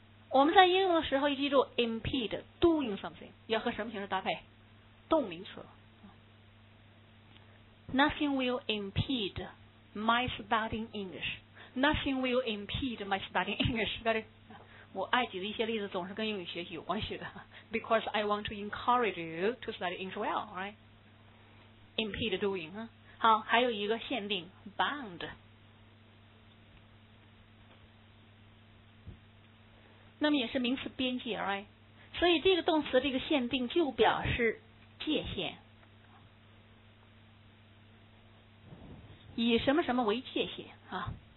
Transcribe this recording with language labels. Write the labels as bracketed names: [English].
[Chinese] 我们在应用的时候，记住 [English] impede doing something [Chinese] 要和什么形式搭配？动名词。 [English] Nothing will impede my studying English. Nothing will impede my studying English. [Chinese] 我爱举的一些例子总是跟英语学习有关系的 ， [English] because I want to encourage you to study English well, right? Impede doing, huh? [Chinese] 好，还有一个限定 bound。那么也是名词边界 ，right？ 所以这个动词这个限定就表示界限，以什么什么为界限啊？